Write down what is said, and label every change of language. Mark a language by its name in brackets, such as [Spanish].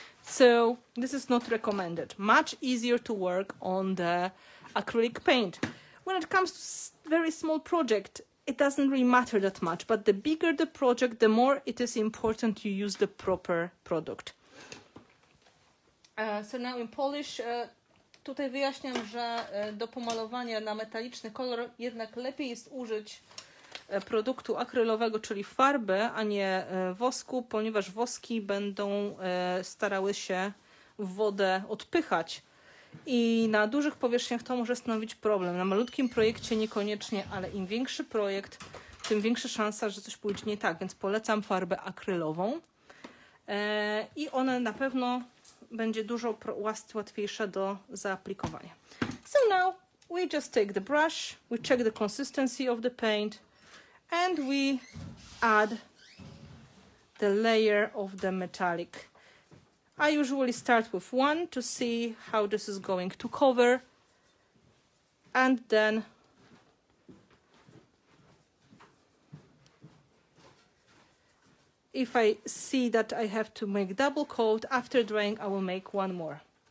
[English] So this is not recommended. Much easier to work on the acrylic paint. When it comes to very small project, it doesn't really matter that much, but the bigger the project, the more it is important you use the proper product. So now in Polish, [Polish] tutaj wyjaśniam, że do pomalowania na metaliczny kolor jednak lepiej jest użyć produktu akrylowego, czyli farby, a nie wosku, ponieważ woski będą starały się wodę odpychać. I na dużych powierzchniach to może stanowić problem. Na malutkim projekcie niekoniecznie, ale im większy projekt, tym większa szansa, że coś pójdzie nie tak. Więc polecam farbę akrylową. I ona na pewno będzie dużo łatwiejsza do zaaplikowania. [English] So now we just take the brush, we check the consistency of the paint, and we add the layer of the metallic. I usually start with one to see how this is going to cover, and then if I see that I have to make double coat after drying, I will make one more.